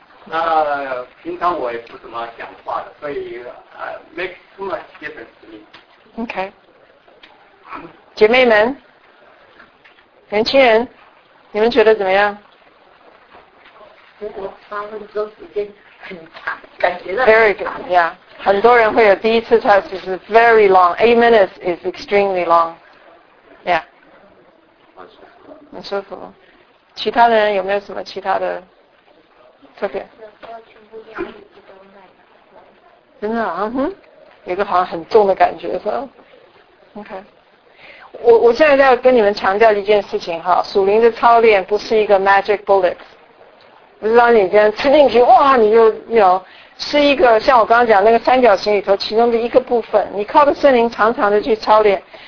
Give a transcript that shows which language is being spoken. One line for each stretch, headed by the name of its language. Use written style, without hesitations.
Chinese: 那平常我也不怎么讲话的，所以
English: make too much difference to me。
Chinese: OK， 姐妹们，年轻人，你们觉得怎么样？我八分钟时间很长，感觉到
English: very good， yeah， 很多人会有第一次 test is very long， 8 minutes is extremely long， yeah，
Chinese: 很舒服。其他人有没有什么其他的特别？真的啊，嗯哼。有个好像很重的感觉是吧 ？OK， 我现在要跟你们强调一件事情哈，属灵的操练不是一个
English: magic bullet，
Chinese: 不是让你这样吃进去哇，你就有，是一个像我刚刚讲那个三角形里头其中的一个部分，你靠着圣灵常常的去操练。